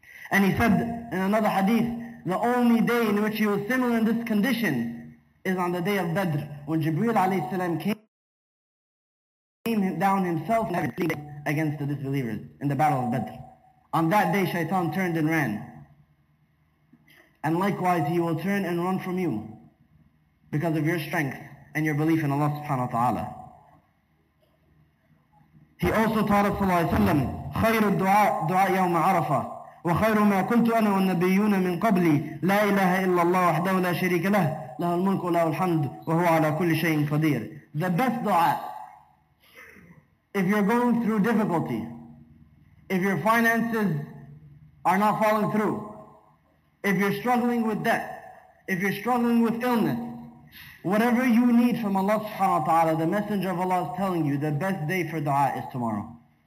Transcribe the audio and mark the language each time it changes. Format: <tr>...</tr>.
<en>And he said in another hadith, the only day in which he was similar in this condition is on the day of Badr, when Jibreel alayhi salam came down himself and had pleaded against the disbelievers in the battle of Badr. On that day shaitan turned and ran. And likewise he will turn and run from you because of your strength and your belief in Allah subhanahu wa ta'ala. He also taught us sallallahu alayhi wa sallam,</en> <ar>خَيْرُ الدُّعَاء دُعَاء يَوْمَ عَرَفَةً وَخَيْرُ مَا كُنْتُ أَنَا وَالنَّبِيُّونَ مِنْ قَبْلِي لَا إِلَهَ إِلَّا اللَّهُ وَحْدَهُ لَا شَرِيكَ لَهُ له الملك وله الحمد وهو على كل شيء قدير.</ar> <en>The best dua, if you're going through difficulty, if your finances are not falling through, if you're struggling with debt, if you're struggling with illness, whatever you need from Allah subhanahu wa ta'ala, the Messenger of Allah is telling you the best day for dua is tomorrow.</en>